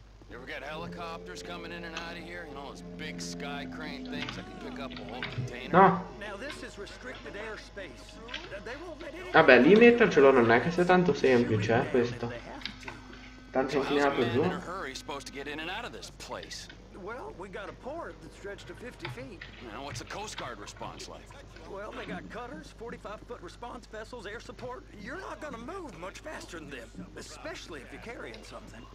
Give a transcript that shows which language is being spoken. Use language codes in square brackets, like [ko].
[en] You ever got helicopters coming in and out of here? And all those big sky crane things that can pick up a whole container? No. Now this is restricted airspace. They won't let it. [it] Vabbè, lì mettercelo non è che sia tanto semplice, questo. Tanto inclinato giù. [en] In a hurry, supposed to get in and out of this place. Well, we got a port that stretched to 50 feet. Now, what's the Coast Guard response like? Well, they got cutters, 45-foot response vessels, air support. You're not gonna move much faster than them, especially if you're carrying something.